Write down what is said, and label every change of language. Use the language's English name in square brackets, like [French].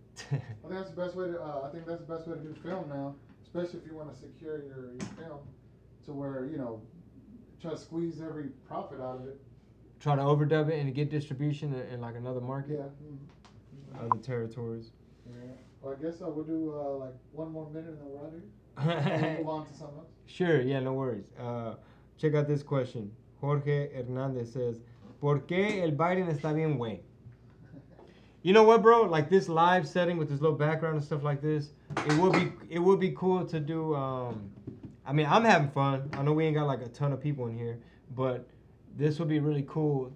[English] I think that's the best way to do film now, especially if you want to secure your film to where, you know, try to squeeze every profit out of it. Try to overdub it and get distribution in like another market? Yeah. Mm-hmm. Other territories. Yeah. Well, I guess I will do like one more minute and then we're out here. We'll move on to something else. Sure. Yeah, no worries. Check out this question. [Spanish] Jorge Hernandez says, ¿Por qué el Biden está bien güey? [English] You know what, bro? Like this live setting with this little background and stuff like this, it would be cool to do. I mean, I'm having fun. I know we ain't got like a ton of people in here, but this would be really cool.